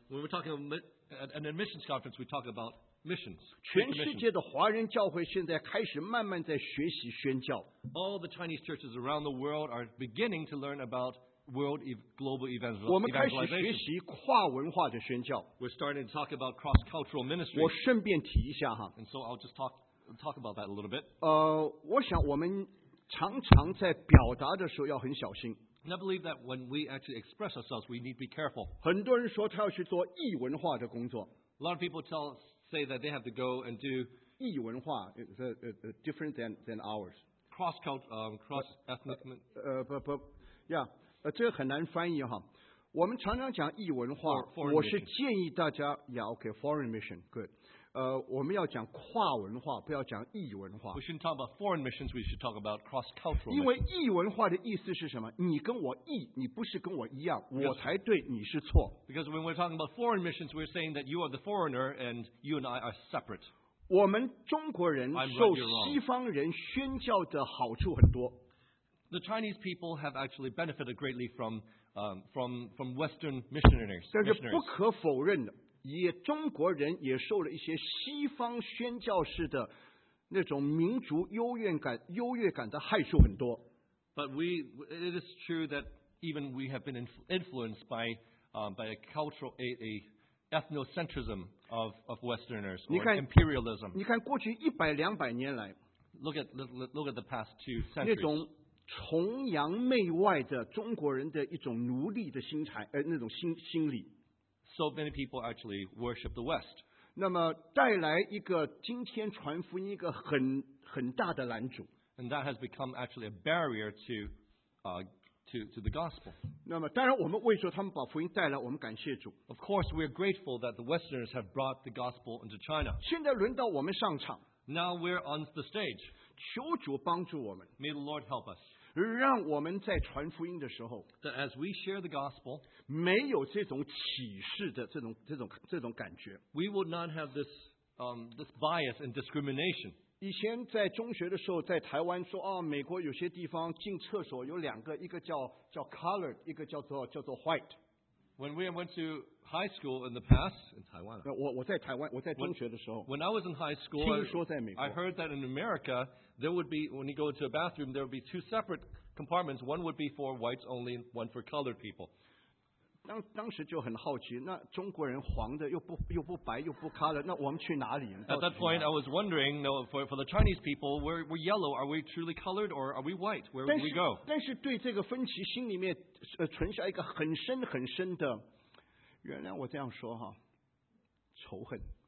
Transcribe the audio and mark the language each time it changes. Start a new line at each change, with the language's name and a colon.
English: When we're talking about an admissions conference, we talk about missions.
Chinese: 全世界的华人教会现在开始慢慢在学习宣教。
English: All the Chinese churches around the world are beginning to learn about world global evangelization.
Chinese: 我们开始学习跨文化的宣教。
English: We're starting to talk about cross-cultural ministry.
Chinese: 我顺便提一下哈。
English: And so I'll just talk about that a little bit.
Chinese: 我想我们常常在表达的时候要很小心。
English: And I believe that when we actually express ourselves, we need to be careful.
Chinese: 很多人说他要去做异文化的工作。
English: A lot of people say that they have to go and do 异文化 different than ours. Cross-ethnic.
Chinese: 这个很难翻译哈。我们常常讲异文化，我是建议大家
English: foreign mission, good.
Chinese: 我们要讲跨文化，不要讲异文化。
English: We shouldn't talk about foreign missions. We should talk about cross-cultural missions.
Chinese: 因为异文化的意思是什么？你跟我异，你不是跟我一样，我才对，你是错。
English: Because when we're talking about foreign missions, we're saying that you are the foreigner and you and I are separate.
Chinese: 我们中国人受西方人宣教的好处很多。 The Chinese people have actually benefited greatly from Western missionaries. 但是不可否认的。也中国人也受了一些西方宣教士的那种民族优越感的害处很多。
English: But it is true that even we have been influenced by a cultural a ethnocentrism of Westerners or imperialism.
Chinese: 你看过去一百两百年来
English: look at the past two centuries.
Chinese: 那种崇洋媚外的中国人的一种奴隶的心态，那种心理。
English: So many people actually worship the West.
Chinese: 那么带来一个今天传福音一个很大的拦阻。
English: And that has become actually a barrier to the gospel.
Chinese: 那么当然我们为着他们把福音带来，我们感谢主。
English: Of course, we are grateful that the Westerners have brought the gospel into China.
Chinese: 现在轮到我们上场。
English: Now we're on the stage.
Chinese: 求主帮助我们。
English: May the Lord help us.
Chinese: 让我们在传福音的时候
English: that as we share the gospel,
Chinese: 没有这种启示的这种感觉
English: we will not have this bias and discrimination.
Chinese: 以前在中学的时候在台湾说、哦、美国有些地方进厕所有两个一个 叫 colored 一个叫做 white.
English: When we went to high school in the past, in Taiwan,
Chinese: 我在台湾我在中学的时候
English: when I was in high school,
Chinese: 听说在美国
English: I heard that in America,There would be, when you go to a bathroom, there would be two separate compartments. One would be for whites only, one for colored people.
Chinese: 当时就很好奇，那中国人黄的又不白又不 color， 那我们去哪里？
English: At that point, I was wondering, you know, for the Chinese people, we're yellow. Are we truly colored or are we white? Where would we go?
Chinese: 但是对这个分歧心里面存下一个很深很深的，原谅我这样说哈，仇恨。